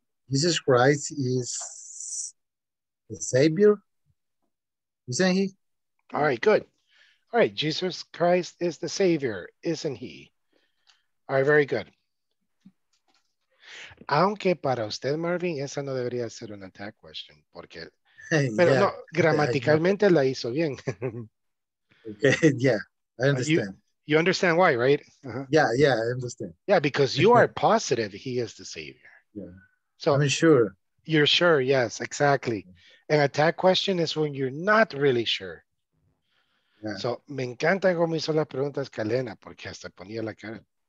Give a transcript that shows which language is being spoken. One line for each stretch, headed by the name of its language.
English: Jesus Christ is the savior, isn't he? All right, good. All right, Jesus Christ is the savior, isn't he? All right, very good.
Spanish: Aunque para usted, Marvin, esa no debería ser una tag question, porque, pero yeah. No, gramaticalmente la hizo bien.
English: Okay, yeah, I understand. You understand why, right? Uh-huh. Yeah, I understand. Yeah, because you are positive he is the savior. Yeah. So I'm sure. You're sure, yes, exactly. An attack question is when you're not really sure. Yeah.
Spanish: So, me encanta cómo hizo las preguntas Kalena, porque hasta ponía la cara.